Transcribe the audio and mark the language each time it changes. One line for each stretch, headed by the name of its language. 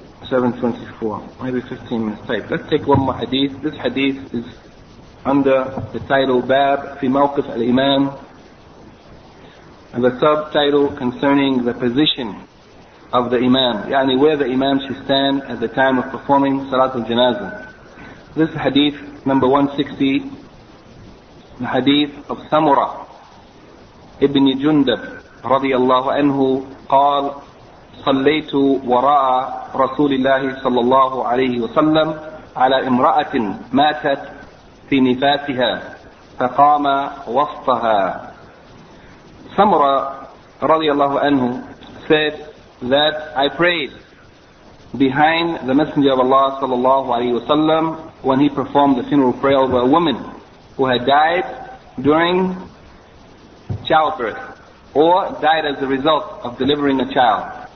English: Maybe 15 minutes. Type. Let's take one more hadith. This hadith is under the title Bab fi Mawqif al-Imam, and the subtitle concerning the position of the Imam, yani where the Imam should stand at the time of performing Salat al-Janazah. This is hadith number 160, the hadith of Samura ibn Jundab radiallahu anhu, qal
Arabic: صليت وراء رسول الله صلى الله عليه وسلم على امرأة ماتت في نفاسها فقام وسطها.
English: Samura رضي الله عنه said that I prayed behind the Messenger of Allah صلى الله عليه وسلم when he performed the funeral prayer of a woman who had died during childbirth or died as a result of delivering a child.